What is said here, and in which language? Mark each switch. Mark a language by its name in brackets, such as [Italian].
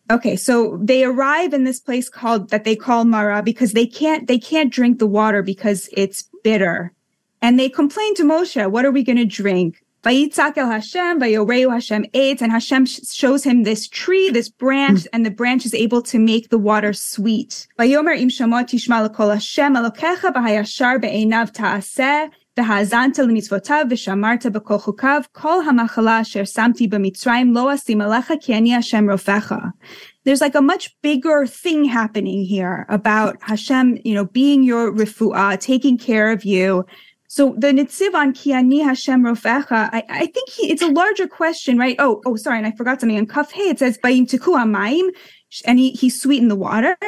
[English] Okay, so they arrive in this place called that they call Mara because they can't drink the water because it's bitter. And they complain to Moshe, what are we going to drink? [Hebrew] Vayitzak el Hashem, vayoreu Hashem eitz, [English] and Hashem shows him this tree, this branch, and the branch is able to make the water sweet. [Hebrew] Vayomer im shamo tishma l'kol Hashem alokecha v'hayashar be'einav ta'aseh. והאזנתי למצוותיו ושמרתי בכל חוקיו כל המחלה אשר שמתי במצרים לא אשים עליך כי אני השם רופאך. [English] There's like a much bigger thing happening here about Hashem, you know, being your refuah, taking care of you. So the Nitziv on Ki Ani Hashem Rofecha, I think it's a larger question, right? Oh, sorry, and I forgot something. On Kaf Hey, it says, Bayim Tiku Amayim, and he sweetened the water.